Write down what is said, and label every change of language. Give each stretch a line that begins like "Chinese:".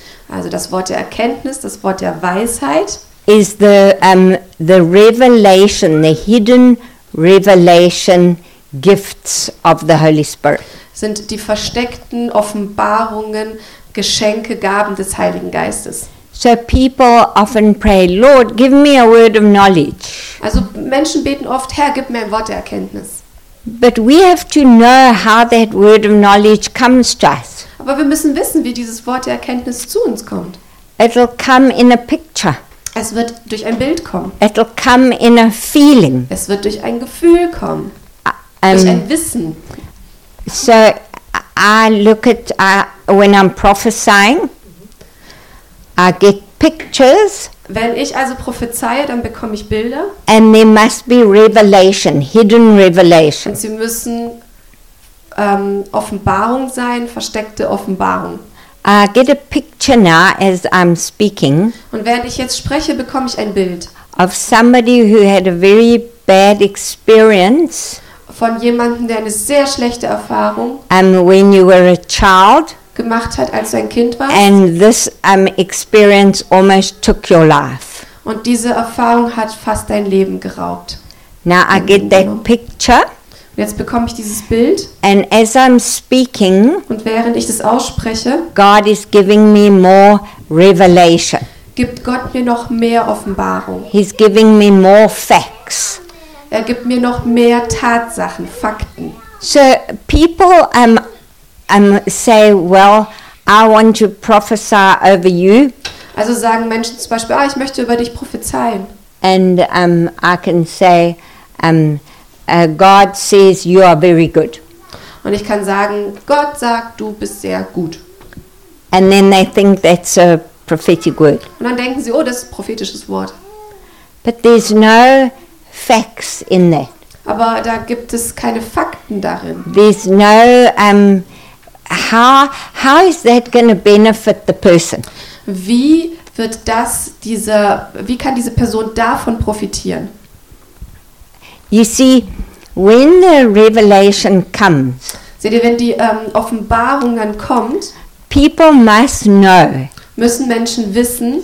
German: Also das Wort der Erkenntnis, das Wort der Weisheit.
English: Is the revelation, the hidden revelation gifts of the Holy Spirit.
German: Sind die versteckten Offenbarungen, Geschenke, Gaben des Heiligen Geistes.
English: So people often pray, Lord, give me a word of knowledge.
German: Also Menschen beten oft, Herr, gib mir ein Wort der Erkenntnis.
English: But we have to know how that word of knowledge comes to us.
German: Aber wir müssen wissen, wie dieses Wort der Erkenntnis zu uns kommt.
English: It'll come in a picture.
German: Es wird durch ein Bild kommen.
English: It'll come in a feeling.
German: Es wird durch ein Gefühl kommen. Durch ein Wissen.
English: So I look at when I'm prophesying. I get pictures.
German: Wenn ich also prophezeie, dann bekomme ich Bilder.
English: And there must be revelation, hidden revelation.
German: Und sie müssen Offenbarung sein, versteckte Offenbarung.
English: I get a picture now as I'm speaking.
German: Und während ich jetzt spreche, bekomme ich ein Bild.
English: Of somebody who had a very bad experience.
German: Von jemandem, der eine sehr schlechte Erfahrung.
English: When you were a child.
German: Gemacht hat, als du ein Kind warst.
English: And this experience almost took your life.
German: Und diese Erfahrung hat fast dein Leben geraubt.
English: Now I get that picture.
German: Und jetzt bekomme ich dieses Bild.
English: And as I'm speaking.
German: Und während ich das ausspreche.
English: God is giving me more revelation.
German: Gibt Gott mir noch mehr Offenbarung.
English: He's giving me more facts.
German: Er gibt mir noch mehr Tatsachen, Fakten.
English: So people say, well, I want to prophesy over you.
German: Also sagen Menschen zum Beispiel, ich möchte über dich prophezeien.
English: And I can say, God says you are very good.
German: Und ich kann sagen, Gott sagt, du bist sehr gut.
English: And then they think that's a prophetic word.
German: Und dann denken sie, oh, das ist ein prophetisches Wort.
English: But there's no facts in that.
German: Aber da gibt es keine Fakten darin.
English: There's no how is that going to benefit the person?
German: Wie wird das wie kann diese Person davon profitieren?
English: You see, when the revelation comes.
German: Seht ihr, wenn die Offenbarung dann kommt,
English: people must know.
German: Müssen Menschen wissen,